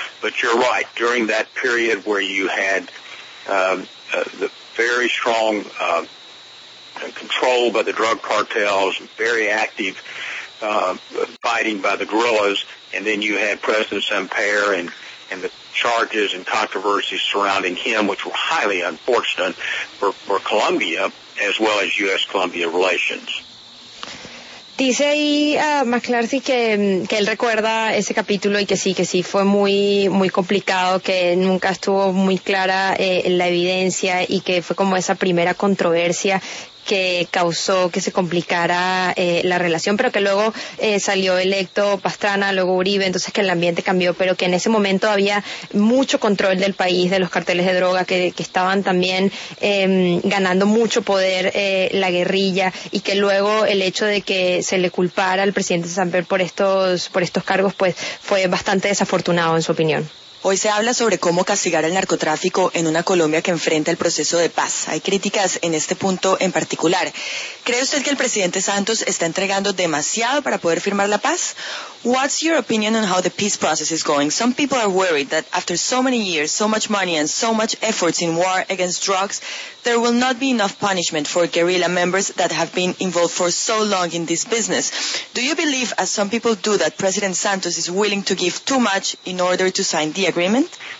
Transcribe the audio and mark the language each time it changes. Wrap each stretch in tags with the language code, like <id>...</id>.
<en>But you're right, during that period where you had the very strong control by the drug cartels, very active fighting by the guerrillas, and then you had President Samper and the charges and controversies surrounding him, which were highly unfortunate for Colombia as well as U.S.-Colombia relations.</en> <es>Dice ahí McClarty que él recuerda ese capítulo y que sí fue muy, muy complicado, que nunca estuvo muy clara la evidencia y que fue como esa primera controversia que causó que se complicara la relación, pero que luego salió electo Pastrana, luego Uribe, entonces que el ambiente cambió, pero que en ese momento había mucho control del país, de los carteles de droga, que estaban también ganando mucho poder la guerrilla, y que luego el hecho de que se le culpara al presidente Samper por estos cargos, pues fue bastante desafortunado en su opinión. Hoy se habla sobre cómo castigar el narcotráfico en una Colombia que enfrenta el proceso de paz. Hay críticas en este punto en particular. ¿Cree usted que el presidente Santos está entregando demasiado para poder firmar la paz?</es> <en>What's your opinion on how the peace process is going? Some people are worried that after so many years, so much money and so much efforts in war against drugs, there will not be enough punishment for guerrilla members that have been involved for so long in this business. Do you believe, as some people do, that President Santos is willing to give too much in order to sign the agreement?</en>